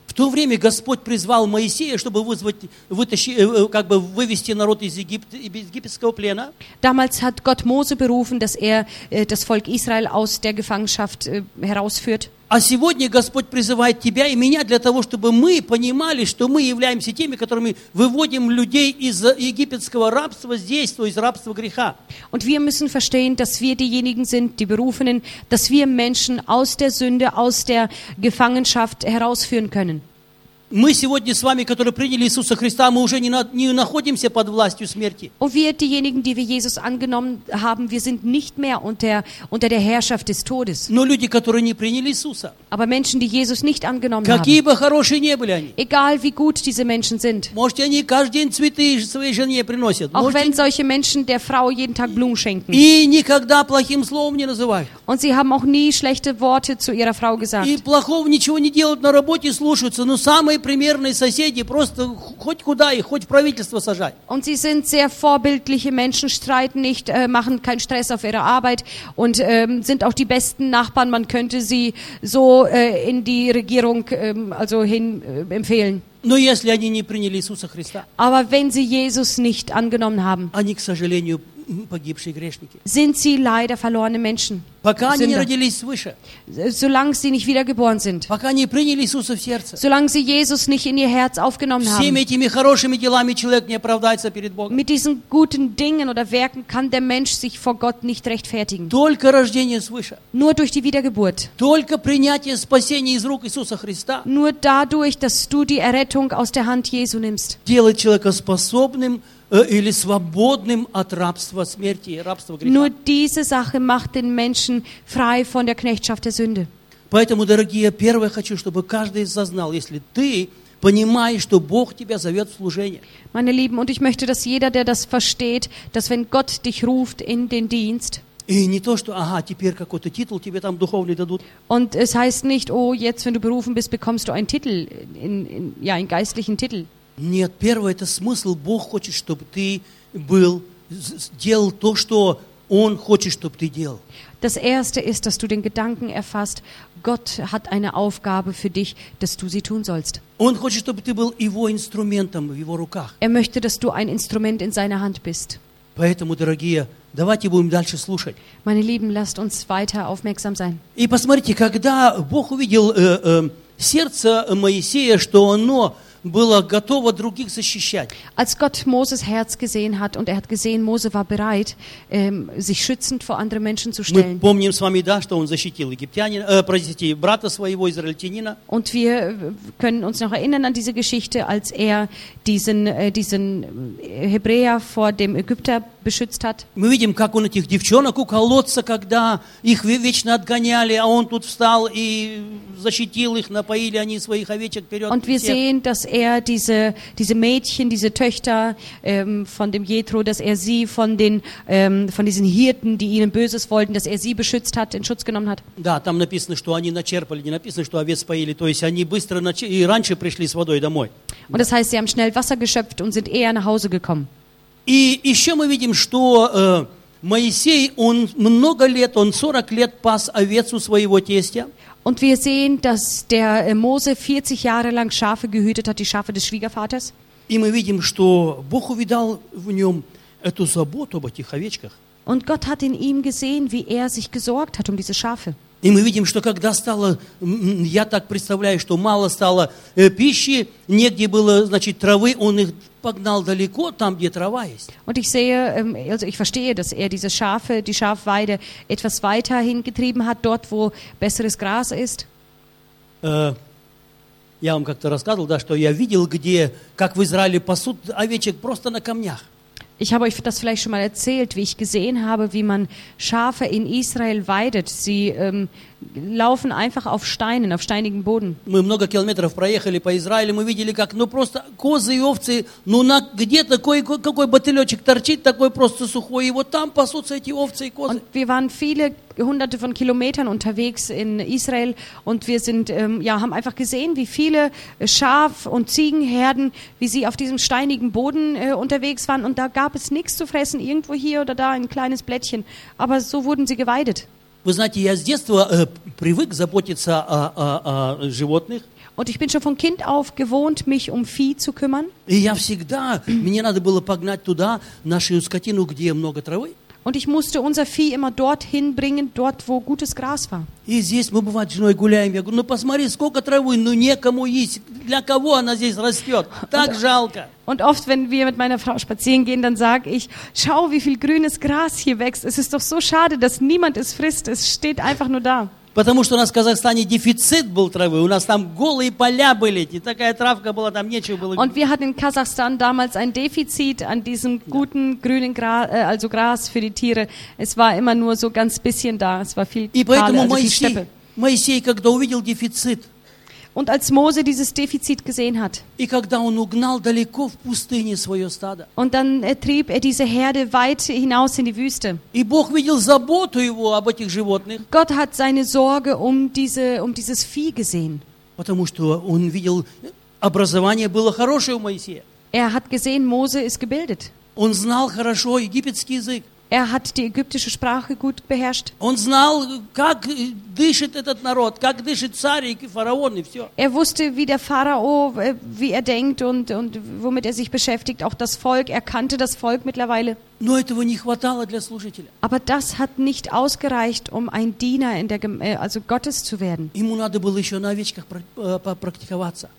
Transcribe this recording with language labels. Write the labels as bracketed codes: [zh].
[ru] В то время Господь призвал Моисея, чтобы вывести народ из Египта, из египетского плена. [de] Damals hat Gott Mose berufen, dass er das Volk Israel aus der Gefangenschaft herausführt. [ru] А сегодня Господь призывает тебя и меня для того, чтобы мы понимали, что мы являемся теми, которыми выводим людей из египетского рабства здесь, то есть рабства греха. [de] Und wir müssen verstehen, dass wir diejenigen sind, die Berufenen, dass wir Menschen aus der Sünde, aus der Gefangenschaft herausführen können. [ru] Мы сегодня с вами, которые приняли Иисуса Христа, мы уже не находимся под властью смерти. [de] Und wir, diejenigen, die wir Jesus angenommen haben, wir sind nicht mehr unter der Herrschaft des Todes. [ru] Но люди, которые не приняли Иисуса, [de] aber Menschen, die Jesus nicht angenommen haben, [ru] какие бы хорошие не были они, [de] egal wie gut diese Menschen sind, [ru] может, они каждый день цветы своей жене приносят, [de] auch wenn solche Menschen der Frau jeden Tag Blumen schenken, [ru] и никогда плохим словом не называют, [de] und sie haben auch nie schlechte Worte zu ihrer Frau gesagt, [ru] и плохого ничего не делают на работе, слушаются, но сам примерные соседи, просто хоть куда их, хоть в правительство сажать. [de] Und sie sind sehr vorbildliche Menschen, streiten nicht, machen keinen Stress auf ihrer Arbeit und sind auch die besten Nachbarn, man könnte sie so in die Regierung also hin empfehlen. [ru] Но если они не приняли Иисуса Христа, [de] aber wenn sie Jesus nicht angenommen haben, [ru] они, к сожалению, погибшие грешники. [de] Sind sie leider verlorene Menschen. [ru] Пока Sünder. Они не родились свыше. [de] Solange sie nicht wiedergeboren sind. [ru] Пока они приняли Иисуса в сердце. [de] Solange sie Jesus nicht in ihr Herz aufgenommen [ru] всеми Всеми этими хорошими делами человек не оправдается перед Богом. [de] Mit diesen guten Dingen oder Werken kann der Mensch sich vor Gott nicht rechtfertigen. [ru] Только рождение свыше. [de] Nur durch die Wiedergeburt. [ru] Только принятие спасения из рук Иисуса Христа. [de] Nur dadurch, dass du die Errettung aus der Hand Jesu nimmst. [ru] Делает человека способным или свободным от рабства смерти, рабства греха. [de] Nur diese Sache macht den Menschen frei von der Knechtschaft der Sünde. [ru] Поэтому, дорогие, первое хочу, чтобы каждый из вас знал, если ты понимаешь, что Бог тебя зовет в служение. [de] Meine Lieben, und ich möchte, dass jeder, der das versteht, dass wenn Gott dich ruft in den Dienst. [ru] И не то, что, ага, теперь какой-то титул тебе там духовный дадут. [de] Und es heißt nicht, oh, jetzt, wenn du berufen bist, bekommst du einen Titel, ja, einen geistlichen Titel. [ru] Нет, первое, это смысл. Бог хочет, чтобы ты был, делал то, что Он хочет, чтобы ты делал. [de] Das erste ist, dass du den Gedanken erfasst, Gott hat eine Aufgabe für dich, dass du sie tun sollst. [ru] Он хочет, чтобы ты был его инструментом в его руках. [de] Er möchte, dass du ein Instrument in seiner Hand bist. [ru] Поэтому, дорогие, давайте будем дальше слушать. [de] Meine Lieben, lasst uns weiter aufmerksam sein. [ru] И посмотрите, когда Бог увидел сердце Моисея, что оно было готово других защищать. [de] Als Gott Moses Herz gesehen hat und er hat gesehen, Mose war bereit, sich schützend vor anderen Menschen zu stellen. [ru] Мы помним с вами, да, что он защитил египтянина, простите, брата своего израильтянина. [de] Und wir können uns noch erinnern an diese Geschichte, als er diesen Hebräer vor dem Ägypter beschützt hat. [ru] Мы видим, как он этих девчонок у колодца, когда их вечно отгоняли, а он тут встал и защитил их, напоили они своих овечек вперед. [de] Und wir sehen, dass er diese Mädchen, diese Töchter von dem Jethro, dass er sie von diesen Hirten, die ihnen Böses wollten, dass er sie beschützt hat, in Schutz genommen hat. [ru] Да, там написано, что они начерпали, не написано, что овец поили, то есть они быстро и раньше пришли с водой домой. [de] Und das heißt, sie haben schnell Wasser geschöpft und sind eher nach Hause gekommen. [ru] И еще мы видим, что Моисей, он много лет, он 40 лет пас овец у своего тестя. [de] Und wir sehen, dass der Mose 40 Jahre lang Schafe gehütet hat, die Schafe des Schwiegervaters. [ru] И мы видим, что Бог увидал в нем эту заботу об этих овечках. [de] Und Gott hat in ihm gesehen, wie er sich gesorgt hat um diese Schafe. [ru] И мы видим, что когда стало, я так представляю, что мало стало пищи, негде было, значит, травы, он их погнал далеко, там, где трава есть. [de] Und ich sehe, also ich verstehe, dass er diese Schafe, die Schafweide etwas weiter hingetrieben hat, dort, wo besseres Gras ist. [ru] Я вам как-то рассказывал, да, что я видел, где, как в Израиле пасут овечек просто на камнях. [de] Ich habe euch das vielleicht schon mal erzählt, wie ich gesehen habe, wie man Schafe in Israel weidet. Sie laufen einfach auf Steinen, auf steinigen Boden. [ru] Мы много километров проехали по Израилю, мы видели, как, ну просто козы и овцы, ну на где такой какой бутылечек торчит, такой просто сухой, и вот там пасутся эти овцы и козы. [de] Und wir waren viele Hunderte von Kilometern unterwegs in Israel und wir sind ja haben einfach gesehen, wie viele Schaf- und Ziegenherden, wie sie auf diesem steinigen Boden unterwegs waren und da gab es nichts zu fressen, irgendwo hier oder da ein kleines Blättchen, aber so wurden sie geweidet. [ru] Вы знаете, я с детства привык заботиться о животных. [de] Und ich bin schon von Kind auf gewohnt, mich um Vieh zu kümmern. [ru] И я всегда, мне надо было погнать туда нашу скотину, где много травы. [de] Und ich musste unser Vieh immer dorthin bringen, dort, wo gutes Gras war. [ru] И здесь мы бывает с женой гуляем, я говорю, ну посмотри, сколько травы, ну некому есть, для кого она здесь растет, так жалко. [de] Und oft, wenn wir mit meiner Frau spazieren gehen, dann sage ich, schau, wie viel grünes Gras hier wächst. Es ist doch so schade, dass niemand es frisst. Es steht einfach nur da. [ru] Потому что у нас в Казахстане дефицит был травы. У нас там голые поля были. И такая травка была, там нечего было. [de] Und wir hatten in Kasachstan damals ein Defizit an diesem guten grünen Gras, also Gras für die Tiere. Es war immer nur so ganz bisschen da. Es war viel Kahle, also Моисей, viel Steppe. [ru] Моисей, когда увидел дефицит, [de] und als Mose dieses Defizit gesehen hat. [ru] И когда он угнал далеко в пустыне свое стадо. [de] Und dann trieb er diese Herde weit hinaus in die Wüste. [ru] И Бог видел заботу его об этих животных. [de] Gott hat seine Sorge um diese, um dieses Vieh gesehen. [ru] Потому что он видел, образование было хорошее у Моисея. [de] Er hat gesehen, Mose ist gebildet. [ru] Он знал хорошо египетский язык. [de] Er hat die ägyptische Sprache gut beherrscht. [ru] Он знал, как дышит этот народ, как дышит царь и фараон и все. [de] Er wusste, wie der Pharao, wie er denkt und womit er sich beschäftigt, auch das Volk, er kannte das Volk mittlerweile. [ru] Но этого не хватало для служителя. [de] Aber das hat nicht ausgereicht, um ein Diener in der also Gottes zu werden. [ru] Ему надо было еще на овечках практиковаться.